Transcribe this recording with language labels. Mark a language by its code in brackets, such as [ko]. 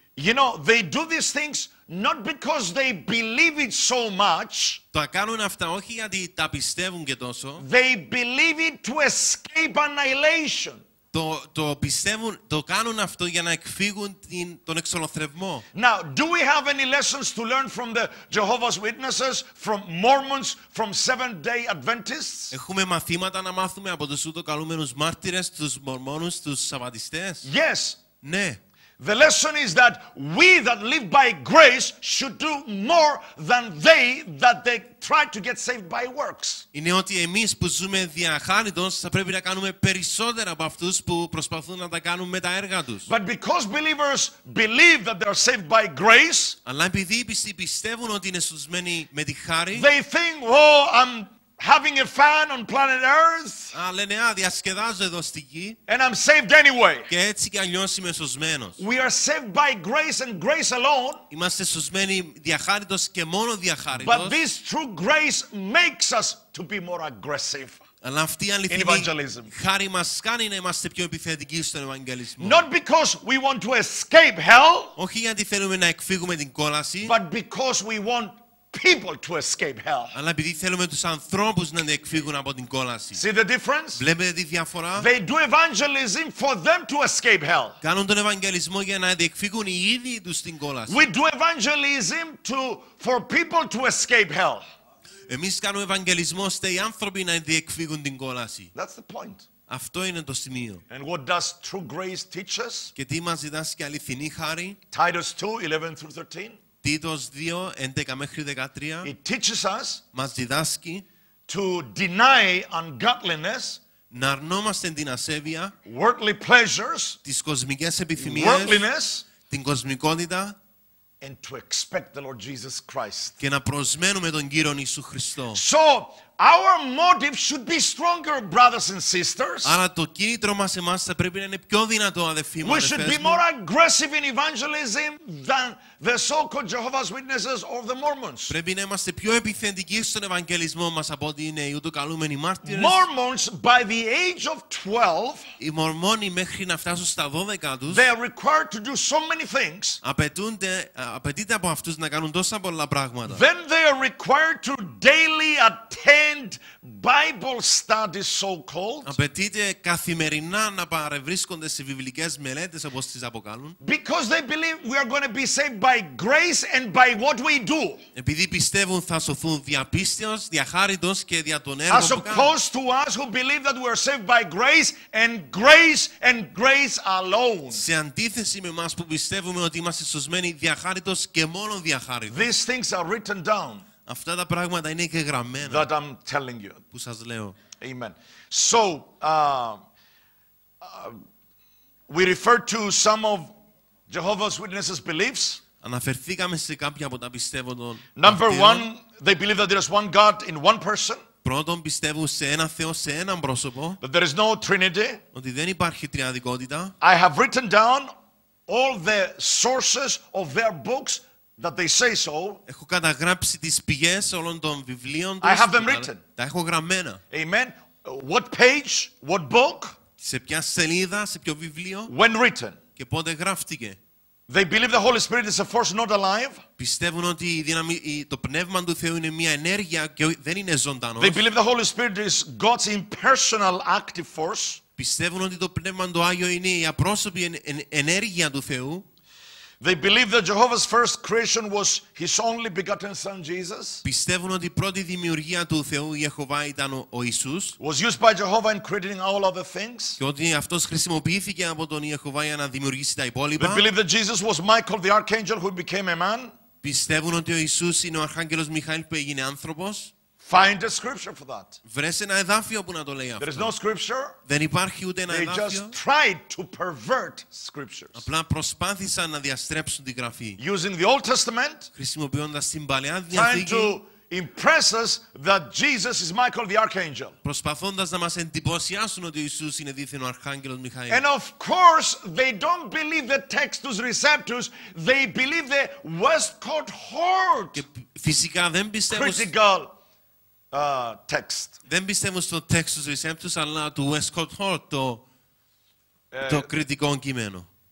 [en] You know, they do these things not because they believe it so much. [el] Τα κάνουν αυτά όχι γιατί τα πιστεύουν και τόσο. [en] They believe it to escape annihilation. [el] Το πιστεύουν, το κάνουν αυτό για να εκφύγουν τον εξολοθρευμό. [en] Now, do we have any lessons to learn from the Jehovah's Witnesses, from Mormons, from Seventh-day Adventists? [el] Έχουμε μαθήματα να μάθουμε από τους ουδοκαλούμενους μάρτυρες, τους Μορμόνους, τους Σαββατιστές? [en] Yes. [el] Ναι. [en] The lesson is that we that live by grace should do more than they that they try to get saved by works. [el] Είναι ότι εμείς που ζούμε δια χάριτος θα πρέπει να κάνουμε περισσότερα από αυτούς που προσπαθούν να τα κάνουν με τα έργα τους. [en] But because believers believe that they are saved by grace, [el] αλλά επειδή οι πιστοί πιστεύουν ότι είναι σωσμένοι με τη χάρη, [en] they think, oh, I'm having a fan on planet Earth. [el] Α, λένε, α, διασκεδάζω εδώ στη γη. [en] And I'm saved anyway. [el] Και έτσι κι αλλιώς είμαι σωσμένος. [en] We are saved by grace and grace alone. [el] Είμαστε σωσμένοι διαχάριτος και μόνο διαχάριτος. [en] But this true grace makes us to be more aggressive. [el] Αλλά αυτή η αληθινή χάρη μας κάνει να είμαστε πιο επιθετικοί στον Ευαγγελισμό. [en] Not because we want to escape hell. [el] Όχι γιατί θέλουμε να εκφύγουμε την κόλαση. [en] But because we want people to escape hell. [el] Αλλά επειδή θέλουμε τους ανθρώπους να εκφύγουν από την κόλαση. [en] See the difference? [el] Βλέπετε τη διαφορά? [en] They do evangelism for them to escape hell. [el] Κάνουν τον ευαγγελισμό για να εκφύγουν οι ίδιοι τους στην κόλαση. [en] We do evangelism for people to escape hell. [el] Εμείς κάνουμε ευαγγελισμό ώστε οι άνθρωποι να εκφύγουν την κόλαση. [en] That's the point. [el] Αυτό είναι το σημείο. [en] And what does true grace teach us? [el] Και τι μας διδάσκει αληθινή χάρη? [en] Titus 2:11 through 13. [el] Τίτος 2, 11 μέχρι 13. [en] It teaches us, [el] μας διδάσκει, [en] to deny ungodliness, [el] να αρνόμαστε την ασέβεια, [en] worldly pleasures, [el] τις κοσμικές επιθυμίες, [en] worldliness, [el] την κοσμικότητα, [en] and to expect the Lord Jesus Christ. [el] Και να προσμένουμε τον Κύριον Ιησού Χριστό. [en] So, our motive should be stronger, brothers and sisters. [el] Άρα το κίνητρο μας εμάς θα πρέπει να είναι πιο δυνατό, αδελφοί μου. [en] We should be more aggressive in evangelism than the so-called Jehovah's Witnesses or the Mormons. [el] Πρέπει να είμαστε πιο επιθετικοί στον ευαγγελισμό μας από ότι είναι οι ουδοκαλούμενοι μάρτυρες. [en] Mormons, by the age of 12, [el] οι Μορμόνοι μέχρι να φτάσουν στα 12 τους, [en] they are required to do so many things. [el] Απαιτείται από αυτούς να κάνουν τόσα πολλά πράγματα. [en] Then they are required to daily attend Bible studies, so-called. [el] Απαιτείται καθημερινά να παρευρίσκονται σε βιβλικές μελέτες, όπως τις αποκαλούν. [en] Because they believe we are going to be saved by grace and by what we do. [el] Επειδή πιστεύουν θα σωθούν δια πίστεως, δια χάριτος και δια τον έργο. [en] As opposed to us who believe that we are saved by grace and grace and grace alone. [el] Σε αντίθεση με εμάς που πιστεύουμε ότι είμαστε σωσμένοι δια χάριτος και μόνο δια χάριτος. [en] These things are written down. [el] Αυτά τα πράγματα είναι και γραμμένα. [en] That I'm telling you. [el] Που σας λέω. [en] Amen. So, we refer to some of Jehovah's Witnesses beliefs. [el] Αναφερθήκαμε σε κάποια από τα πιστεύω των. [en] Number one, they believe that there is one God in one person. [el] Πρώτον, πιστεύω σε ένα Θεό σε έναν πρόσωπο. [en] That there is no Trinity. [el] Ότι δεν υπάρχει τριαδικότητα. [en] I have written down all the sources of their books. That they say so. [el] Έχω καταγράψει τις πηγές όλων των βιβλίων. [en] I have them written. [el] Τα έχω γραμμένα. [en] Amen. What page? What book? [el] Σε ποια σελίδα, σε ποιο βιβλίο? [en] When written. [el] Και πότε γράφτηκε? [en] They believe the Holy Spirit is a force not alive. [el] Πιστεύουν ότι το πνεύμα του Θεού είναι μια ενέργεια και δεν είναι ζωντανός. [en] They believe the Holy Spirit is God's impersonal active force. [el] Πιστεύουν ότι το πνεύμα του Άγιο είναι η απρόσωπη ενέργεια του Θεού. [en] They believe that Jehovah's first creation was His only begotten Son Jesus. [el] Πιστεύουν ότι η πρώτη δημιουργία του Θεού, Ιεχωβά, ήταν ο Ιησούς. [en] Was used by Jehovah in creating all other things. [el] Και ότι αυτός χρησιμοποιήθηκε από τον Ιεχωβά για να δημιουργήσει τα υπόλοιπα. [en] They believe that Jesus was Michael, the archangel who became a man. [el] Πιστεύουν ότι ο Ιησούς είναι ο αρχάγγελος Μιχαήλ που έγινε άνθρωπος. [en] Find a scripture for that. [el] Βρες ένα εδάφιο που να το λέει αυτό. [en] There is no scripture. [el] Δεν υπάρχει ούτε ένα εδάφιο. [en] They just tried to pervert scriptures. [el] Απλά προσπάθησαν να διαστρέψουν την γραφή. [en] Using the Old Testament. [el] Χρησιμοποιώντας την Παλαιά Διαθήκη. [en] Trying to impress us that Jesus is Michael the Archangel. [el] Προσπαθώντας να μας εντυπωσιάσουν ότι ο Ιησούς είναι δήθεν ο Αρχάγγελος Μιχαήλ. [en] And of course they don't believe the Textus Receptus. They believe the Westcott Hort. [el] Και φυσικά δεν πιστεύουν. [en] Critical. Text. [el] Δεν πιστεύουν στο Textus Receptus, αλλά του Westcott Hort, το κριτικό κείμενο.